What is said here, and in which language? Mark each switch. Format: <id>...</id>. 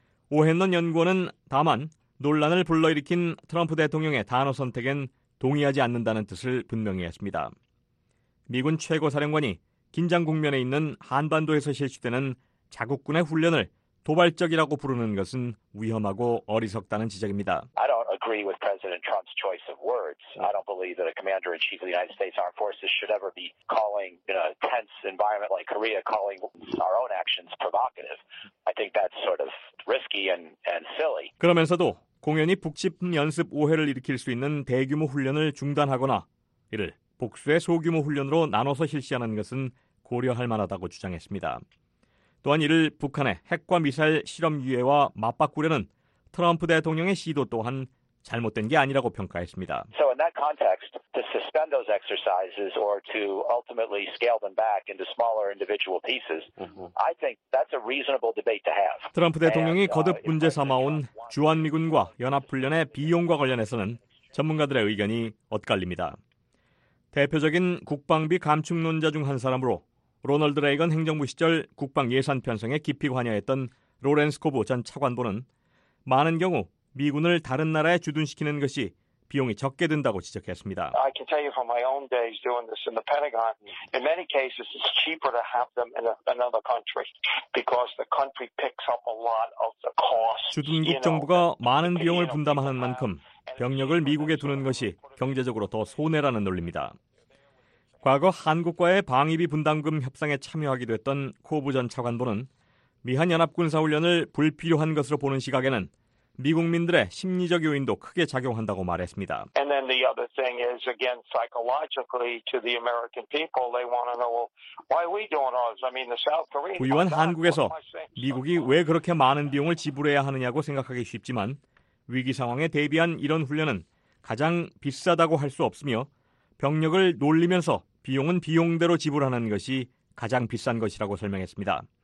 <ko>오헨런 연구원은 다만 논란을 불러일으킨 트럼프 대통령의 단어 선택엔 동의하지 않는다는 뜻을 분명히 했습니다. 미군 최고사령관이 긴장 국면에 있는 한반도에서 실시되는 자국군의 훈련을 도발적이라고 부르는 것은 위험하고 어리석다는 지적입니다.</ko> <en>I don't agree with President Trump's choice of words. I don't believe that a commander-in-chief of the United States Armed Forces should ever be calling in a tense environment like Korea calling our own actions provocative. I think that's sort of risky and silly.</en> <ko>그러면서도 공연이 북침 연습 오해를 일으킬 수 있는 대규모 훈련을 중단하거나 이를 복수의 소규모 훈련으로 나눠서 실시하는 것은 고려할 만하다고 주장했습니다. 또한 이를 북한의 핵과 미사일 실험 유예와 맞바꾸려는 트럼프 대통령의 시도 또한 잘못된 게 아니라고 평가했습니다.</ko> <en>So in that context, to suspend those exercises or to ultimately scale them back into smaller individual pieces, I think that's a reasonable debate to have.</en> <ko>트럼프 대통령이 거듭 문제 삼아온 주한미군과 연합훈련의 비용과 관련해서는 전문가들의 의견이 엇갈립니다. 대표적인 국방비 감축론자 중 한 사람으로 로널드 레이건 행정부 시절 국방 예산 편성에 깊이 관여했던 로렌스 코브 전 차관보는 많은 경우 미군을 다른 나라에 주둔시키는 것이 비용이 적게 든다고 지적했습니다.</ko> <en>I can tell you from my own days doing this in the Pentagon, in many cases it's cheaper to have them in another country because the country picks up a lot of the cost.</en> <ko>주둔국 정부가 많은 비용을 분담하는 만큼 병력을 미국에 두는 것이 경제적으로 더 손해라는 논리입니다. 과거 한국과의 방위비 분담금 협상에 참여하기도 했던 코브 전 차관보는 미한연합군사훈련을 불필요한 것으로 보는 시각에는 미국민들의 심리적 요인도 크게 작용한다고 말했습니다.</ko> <en>And then the other thing is, again, psychologically to the American people, they want to know, why are we doing ours? I mean, the South Korea.</en> <ko>부유한 한국에서 미국이 왜 그렇게 많은 비용을 지불해야 하느냐고 생각하기 쉽지만 위기 상황에 대비한 이런 훈련은 가장 비싸다고 할 수 없으며 병력을 놀리면서 비용은 비용대로 지불하는 것이 가장 비싼 것이라고 설명했습니다.</ko>